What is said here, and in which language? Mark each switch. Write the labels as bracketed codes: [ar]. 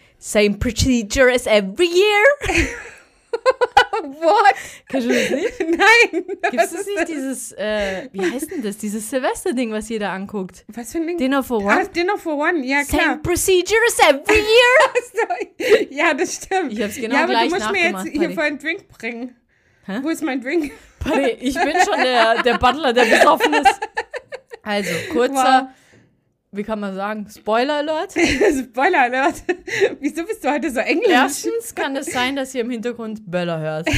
[en] Same procedures every year. What? [de] Kennst du das nicht? Nein. Gibt es nicht dieses, wie heißt denn das? Dieses Silvester-Ding, was jeder anguckt. Was für ein Ding? Dinner for One. Ah, Dinner for One, ja, [en] same [de] klar. [en] Same procedures every year. [de] Ja, das stimmt. Ich hab's genau gleich nachgemacht. Ja, aber du musst mir jetzt hier vor einen Drink bringen. Hä? Wo ist mein Drink? Paddy, ich bin schon der Butler, der betroffen ist. Also, kurzer... Wow. Wie kann man sagen? Spoiler Alert? Spoiler Alert? Wieso bist du heute so englisch? Erstens kann es sein, dass ihr im Hintergrund Böller hört.